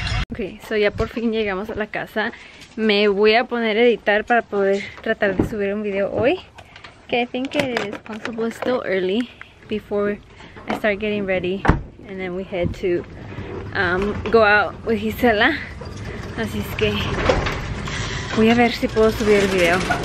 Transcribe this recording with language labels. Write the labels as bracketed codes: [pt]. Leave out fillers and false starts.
[es] Okay, so ya por fin llegamos a la casa. Me voy a poner a editar para poder tratar de subir un video hoy. [en] Okay, I think it is possible. It's still early before I start getting ready, and then we head to go out with Gisela. [es] Así es que voy a ver si puedo subir el video.